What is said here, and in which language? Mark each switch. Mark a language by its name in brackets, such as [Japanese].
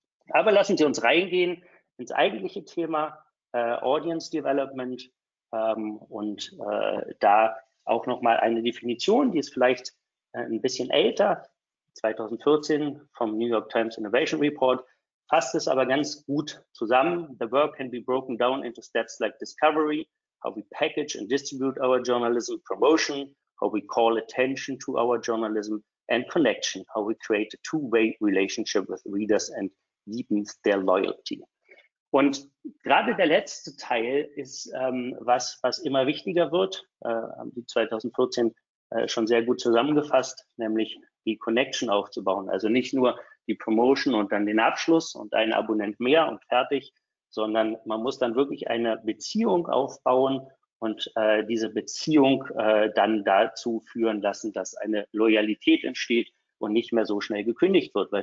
[German] Aber lassen Sie uns reingehen ins eigentliche Thema. Audience Development und da auch nochmal eine Definition, die ist vielleicht ein bisschen älter, 2014 vom New York Times Innovation Report, fasst es aber ganz gut zusammen. [English] The work can be broken down into steps like discovery, how we package and distribute our journalism, promotion, how we call attention to our journalism and connection, how we create a two-way relationship with readers and deepen their loyalty. [German] Und gerade der letzte Teil ist was immer wichtiger wird, haben die 2014 schon sehr gut zusammengefasst, nämlich die Connection aufzubauen. Also nicht nur die Promotion und dann den Abschluss und einen Abonnent mehr und fertig, sondern man muss dann wirklich eine Beziehung aufbauen und diese Beziehung dann dazu führen lassen, dass eine Loyalität entsteht und nicht mehr so schnell gekündigt wird.